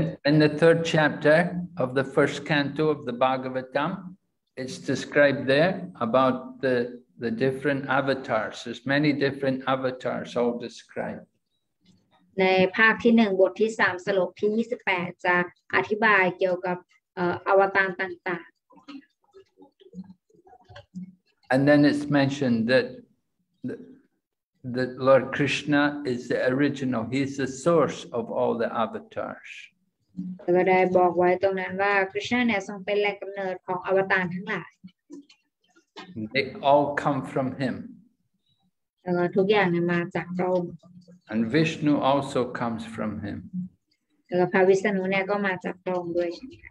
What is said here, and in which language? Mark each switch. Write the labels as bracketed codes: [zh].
[en] In the third chapter of the first canto of the Bhagavatam it's described there about the different avatars there's many different avatars all described [th] ในภาคที่1บทที่3สโลกที่28จะอธิบายเกี่ยวกับอวตารต่างๆ [en] And then it's mentioned that Lord Krishna is the original. He is the source of all the avatars. [th] ก็ได้บอกไว้ตรงนั้นว่าคริชนาเนี่ยทรงเป็นแหล่งกำเนิดของอวตารทั้งหลาย [en] They all come from him. [th] แล้วทุกอย่างมาจากพระองค์ [en] And Vishnu also comes from him. [th] แล้วพระวิษณุเนี่ยก็มาจากพระองค์ด้วยเช่นกั